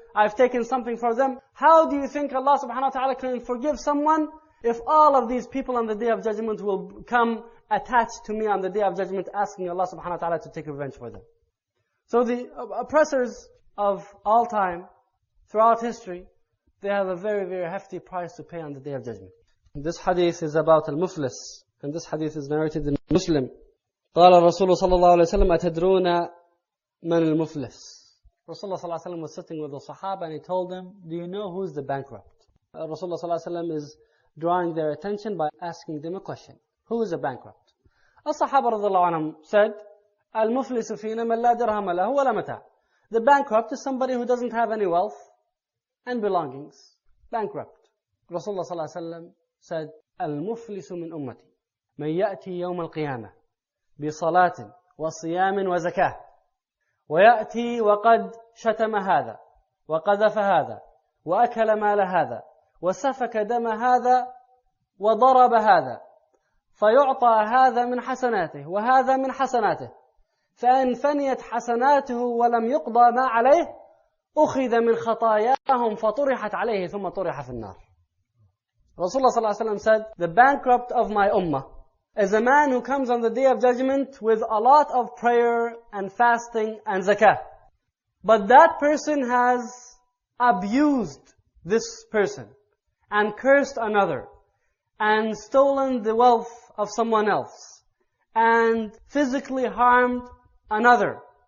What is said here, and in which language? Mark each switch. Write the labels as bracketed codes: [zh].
[en] I've taken something from them. How do you think Allah subhanahu wa ta'ala can forgive someone if all of these people on the Day of Judgment will come attached to me on the Day of Judgment asking Allah subhanahu wa ta'ala to take revenge for them? So the oppressors of all time, throughout history, they have a very, very hefty price to pay on the Day of Judgment. This hadith is about al-muflis. And this hadith is narrated in Muslim. [ar] قال الرسول صلى الله عليه وسلم أتدرون من المفلس. [en] Rasulullah ﷺ was sitting with the Sahaba and he told them, do you know who's the bankrupt? Rasulullah ﷺ is drawing their attention by asking them a question. Who is a bankrupt? Al-Sahaba radiallahu anhum said, [ar] Al-Muflisu fina man la dirham lahu wa la mata. [en] The bankrupt is somebody who doesn't have any wealth and belongings. [ar] Bankrupt. Rasulullah ﷺ said, Al-Muflisu min ummati. Man ya'ti yawm al-qiyamah. Bi salatin wa siyamin wa zakah. ويأتي وقد شتم هذا وقذف هذا وأكل مال هذا وسفك دم هذا وضرب هذا فيعطى هذا من حسناته وهذا من حسناته فإن فنيت حسناته ولم يقضى ما عليه أخذ من خطاياهم فطرحت عليه ثم طرح في النار. [en] Rasulullah sallallahu alayhi wa sallam said, the bankrupt of my ummah is a man who comes on the day of judgment with a lot of prayer and fasting and zakah. But that person has abused this person and cursed another and stolen the wealth of someone else and physically harmed another.